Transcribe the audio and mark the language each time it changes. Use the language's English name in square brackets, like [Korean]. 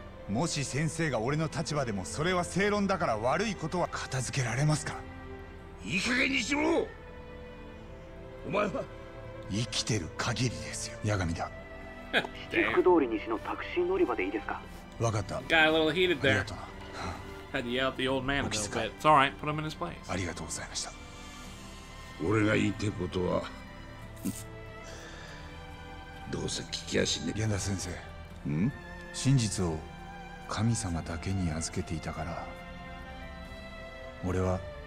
[Japanese] もし先生が俺の立場でもそれは正論だから悪いことは片付けられますか？いい加減にしろ。お前は生きてる限りですよ。八神だ。七福通り西のタクシー乗り場でいいですか？わかった。 [English] Got a little heated there. [Japanese] ありがとう。 [English] Had to yell at the old man a little bit. It's all right, put him in his place. [Japanese] ありがとうございました。俺が言いたいことは、どうせ聞きやしね。源田先生、ん？真実を神様だけに預けていたから、俺は。